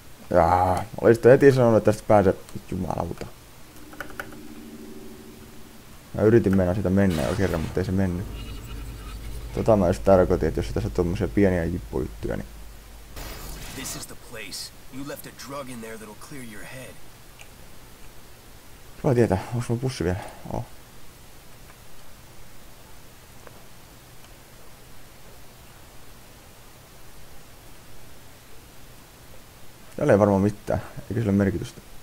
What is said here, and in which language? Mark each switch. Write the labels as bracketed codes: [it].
[fi] Jaa, olisitte heti sanonut, että tästä pääse... Jumalauta. Mä yritin mennä sitä mennä jo kerran, mutta ei se mennyt. Tota mä just tarkoitin, että jos tässä on tommosia pieniä jippujuttuja, niin... [en] This is the place. You left a drug in there that'll clear your head. [fi] Kiva tietää, onks mun pussi vielä? Oh. Täällä ei varmaan mitään, eikä sillä merkitystä.